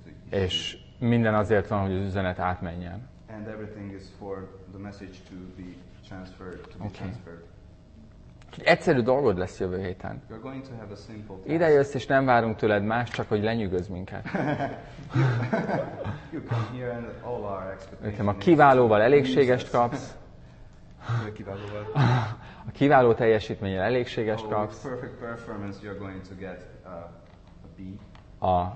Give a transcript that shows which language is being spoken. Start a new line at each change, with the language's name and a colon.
Hungarian: És minden azért van, hogy az üzenet átmenjen.
English: And everything is for the message to be transferred. Okay.
Hungarian: Egyszerű dolgod lesz jövő héten.
English: You're going to have a simple task.
Hungarian: Idejössz, és nem várunk tőled más, csak hogy lenyűgözz minket.
English: You come here and all our expectations.
Hungarian: Ha kiválóval elégségest kapsz. A kiváló teljesítménnyel elégségest kapsz.
English: With perfect performance you're going to get a B.